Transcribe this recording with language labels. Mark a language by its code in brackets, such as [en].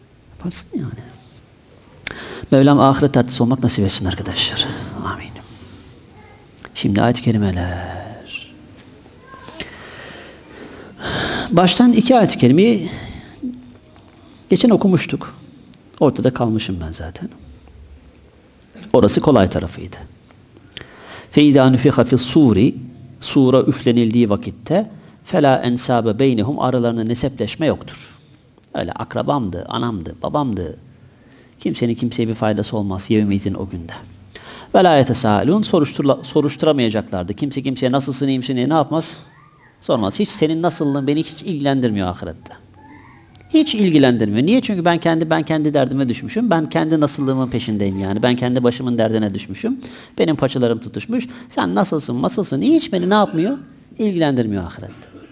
[tr] Yaparsın yani. Mevlam ahiret tertesi olmak nasip etsin arkadaşlar. Amin. Şimdi ayet-i kerimeler. Baştan iki ayet-i kerimeyi geçen okumuştuk. Ortada kalmışım ben zaten. Orası kolay tarafıydı. [ar] فَاِذَا نُفِخَ فِي الصُّورِ [tr] Sura üflenildiği vakitte [ar] فَلَا اَنْسَابَ بَيْنِهُمْ [tr] Aralarında nesepleşme yoktur. Öyle akrabamdı, anamdı, babamdı. Kimsenin kimseye bir faydası olmaz yevmizin o günde. [ar] وَلَا يَتَسَالُونَ [tr] Soruşturamayacaklardı. Kimse kimseye nasılsın, iyimsin diye ne yapmaz? Sormaz. Hiç senin nasıllığın beni hiç ilgilendirmiyor ahirette. Hiç ilgilendirmiyor. Niye? Çünkü ben kendi derdime düşmüşüm. Ben kendi nasıllığımın peşindeyim yani. Ben kendi başımın derdine düşmüşüm. Benim paçalarım tutuşmuş. Sen nasılsın, nasılsın? Hiç beni ne yapmıyor? İlgilendirmiyor ahirette.